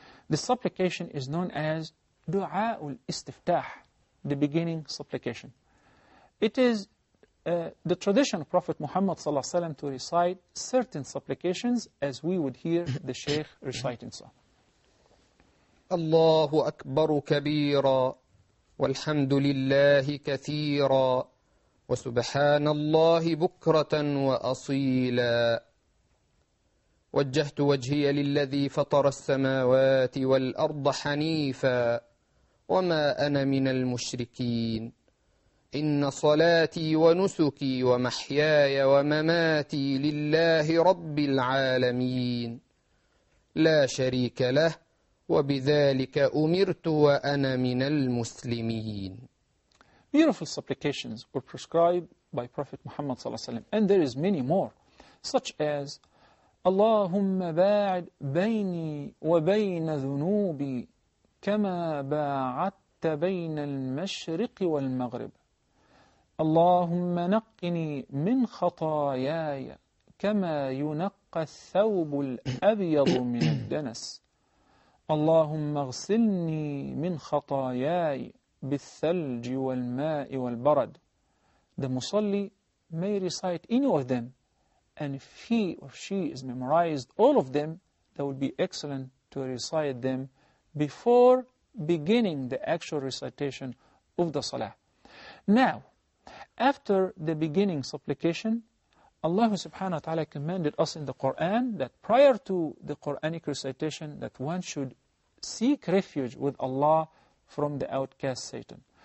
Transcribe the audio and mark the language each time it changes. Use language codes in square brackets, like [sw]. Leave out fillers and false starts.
[en] The supplication is known as Dua al-Istiftah, the beginning supplication. It is the tradition of Prophet Muhammad ﷺ to recite certain supplications as we would hear the Shaykh reciting so. [ar] الله أكبر كبيرا والحمد لله كثيرا وسبحان الله بكرة وأصيلا وجهت وجهي للذي فطر السماوات والأرض حنيفا وما أنا من المشركين إن صلاتي ونسكي ومحياي ومماتي لله رب العالمين لا شريك له وبذلك أمرت وأنا من المسلمين. [en] Beautiful supplications were prescribed by Prophet Muhammad صلى الله عليه وسلم, and there is many more, such as [ar] اللهم باعد بيني وبين ذنوبي كما باعدت بين المشرق والمغرب. اللهم نقني من خطاياي كما ينقى الثوب الأبيض من الدنس. اللهم اغسلني من خطاياي بالثلج والماء والبرد. [en] The musalli may recite any of them, and if he or she is memorized all of them, that would be excellent to recite them before beginning the actual recitation of the salah. Now, after the beginning supplication, Allah subhanahu wa ta'ala commanded us in the Quran that prior to the Quranic recitation, that one should seek refuge with Allah from the outcast Satan.